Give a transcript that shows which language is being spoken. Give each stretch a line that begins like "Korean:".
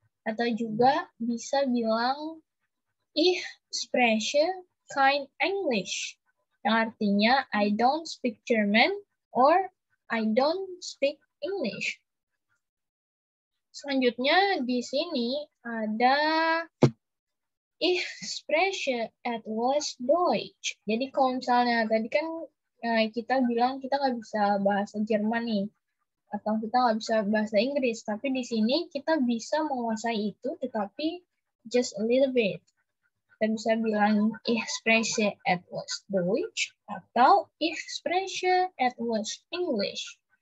Indonesian: Atau juga bisa bilang ich spreche kein Englisch. Yang artinya
English: I don't speak German or I don't speak English.
Indonesian: Selanjutnya di sini ada ich spreche etwas Deutsch. Jadi kalau misalnya tadi kan kita bilang kita nggak bisa bahasa Jerman nih, atau kita nggak bisa bahasa Inggris, tapi di sini kita bisa menguasai itu, tetapi just a little bit.
German: Kita bisa bilang ich spreche etwas Deutsch atau ich spreche etwas English.